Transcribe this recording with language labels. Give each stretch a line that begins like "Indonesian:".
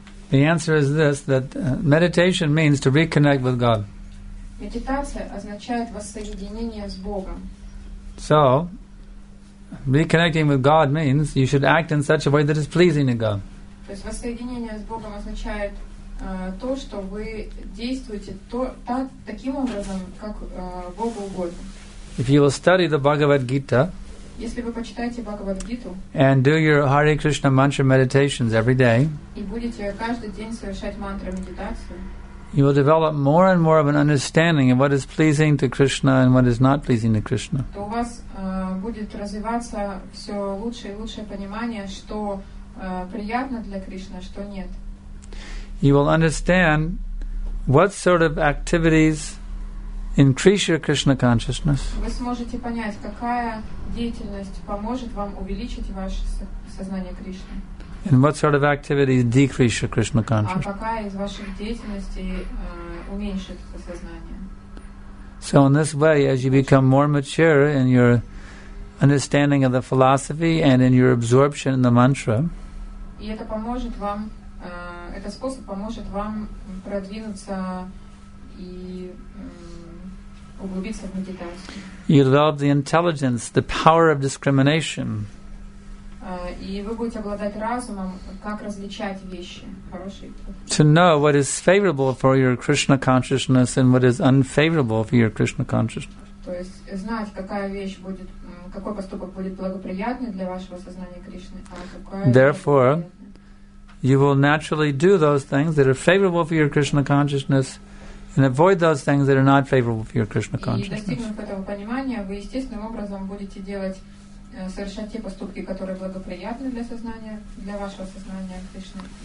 English: The answer is this, that meditation means to reconnect with God.
Russian: Медитация означает воссоединение с Богом.
English: So, reconnecting with God means you should act in such a way that is pleasing to God.
Russian: То есть воссоединение с Богом означает то, что вы действуете таким образом, как Богу угодно.
English: If you will study the Bhagavad Gita,
Russian: если вы почитаете Бхагавад Гиту,
English: and do your Hare Krishna mantra meditations every day,
Russian: и будете каждый день совершать мантра медитацию,
English: you will develop more and more of an understanding of what is pleasing to Krishna and what is not pleasing to Krishna.
Russian: То у вас будет развиваться все лучше и лучшее понимание, что приятно для Кришны, а что нет.
English: You will understand what sort of activities increase your Krishna consciousness.
Russian: Вы сможете понять, какая деятельность поможет вам увеличить ваше сознание Кришны.
English: And what sort of activities decrease your Krishna consciousness?
Russian: А какая из ваших деятельностей уменьшит это сознание?
English: So in this way, as you become more mature in your understanding of the philosophy and in your absorption in the mantra,
Russian: и это поможет вам, этот способ поможет вам продвинуться и углубиться в медитацию.
English: You develop the intelligence, the power of discrimination.
Russian: И вы будете обладать разумом, как различать вещи, хорошие.
English: To know what is favorable for your Krishna consciousness and what is unfavorable for your Krishna consciousness.
Russian: То есть знать, какая вещь будет, какой поступок будет благоприятный для вашего сознания Кришны, а какой.
English: Therefore, you will naturally do those things that are favorable for your Krishna consciousness and avoid those things that are not favorable for your Krishna consciousness.
Russian: И достигнув этого понимания, вы естественным образом будете делать совершать те поступки, которые благоприятны для сознания, для вашего сознания Кришны.